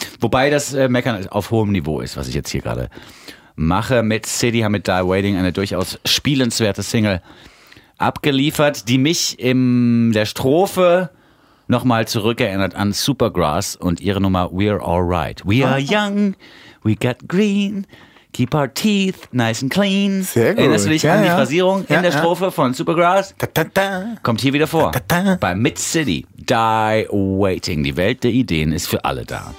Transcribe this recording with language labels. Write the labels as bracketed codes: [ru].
[de] Wobei das Meckern auf hohem Niveau ist, was ich jetzt hier gerade mache. Mid-City haben mit Die Waiting eine durchaus spielenswerte Single abgeliefert, die mich in der Strophe nochmal zurückerinnert an Supergrass und ihre Nummer We're Alright. [en] We are young, we got green, keep our teeth nice and clean. [de] Sehr gut. Erinnerst du dich an die Phrasierung in der Strophe von Supergrass? Da, da, da. Kommt hier wieder vor. Da, da, da. Bei Mid-City. Die Waiting. Die Welt der Ideen ist für alle da.